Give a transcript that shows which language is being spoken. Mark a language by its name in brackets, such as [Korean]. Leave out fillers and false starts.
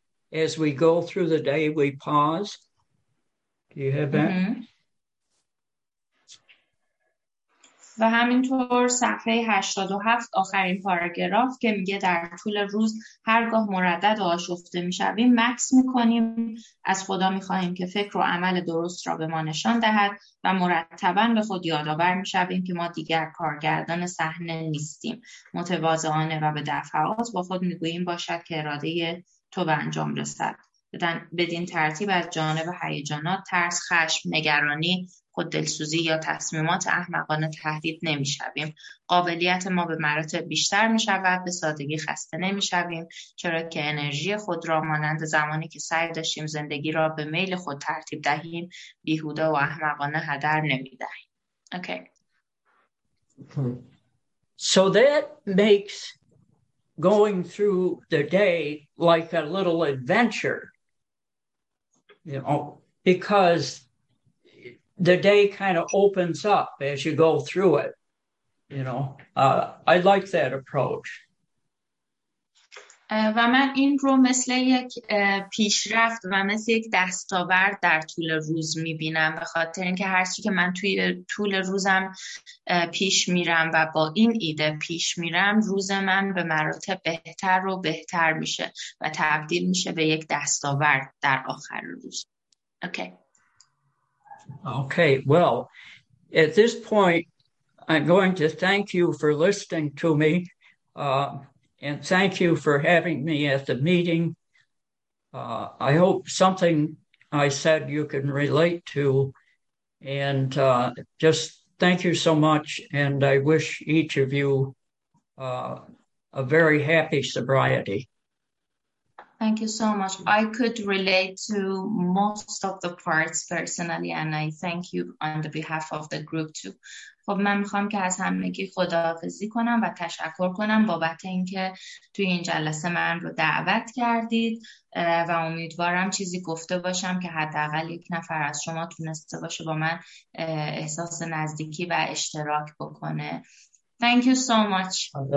[English] As we go through the day, we pause. Do you have that? [Persian] و همینطور صفحه 87 آخرین پاراگراف که میگه در طول روز هرگاه مردد و آشفته میشویم مکث میکنیم، از خدا میخواهیم که فکر و عمل درست را به ما نشان دهد و مرتباً به خود یادآور میشویم که ما دیگر کارگردان صحنه نیستیم. متواضعانه و به دفعات با خود میگوییم باشد که اراده تو به انجام رسد. بدین ترتیب از جانب هیجانات، ترس، خشم، نگرانی، خود دلسوزی یا تصمیمات احمقانه تهدید نمی شویم. قابلیت ما به مراتب بیشتر می شود، به سادگی خسته نمی شویم، چرا که انرژی خود را مانند زمانی که سعی داشتیم زندگی را به میل خود ترتیب دهیم بیهوده و احمقانه هدر نمی دهیم. [English] Okay. So that makes going through the day like a little adventure. Because the day kind of opens up as you go through it, you know. I like that approach. [Persian] و من این رو مثل یک پیشرفت و مثل یک دستاورد در طول روز میبینم، به خاطر اینکه هر چی که من توی طول روزم پیش میرم و با این ایده پیش میرم، روز من به مراتب بهتر و بهتر میشه و تبدیل میشه به یک دستاورد در آخر روز. [English] Okay. Okay, well, at this point, I'm going to thank you for listening to me, and thank you for having me at the meeting. I hope something I said you can relate to, and just thank you so much, and I wish each of you a very happy sobriety. Thank you so much. I could relate to most of the parts personally, and I thank you on the behalf of the group too. [Persian] خب من میخوام که از همگی خداحافظی کنم و تشکر کنم بابت اینکه توی این جلسه من رو دعوت کردید و امیدوارم چیزی گفته باشم که حداقل یک نفر از شما تونسته باشه با من احساس نزدیکی و اشتراک بکنه. [English] Thank you so much.